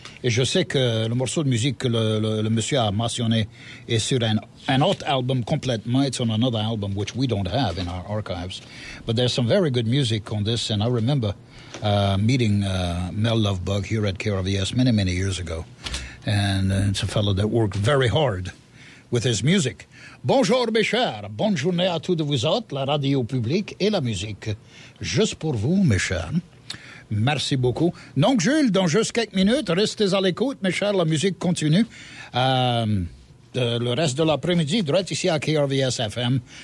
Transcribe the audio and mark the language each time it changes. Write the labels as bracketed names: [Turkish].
[French] Et je sais que le morceau de musique que le monsieur a mentionné est sur un autre album complètement. [English] It's on another album, which we don't have in our archives. But there's some very good music on this. And I remember meeting Mel of Bug here at KRVS many, many years ago. And it's a fellow that worked very hard with his music. [French] Bonjour mes chers, bonne journée à tous de vous autres, la radio publique et la musique. Juste pour vous mes chers, merci beaucoup. Donc Jules, dans juste quelques minutes, restez à l'écoute mes chers, la musique continue. Le reste de l'après-midi, direct ici à KRVS FM.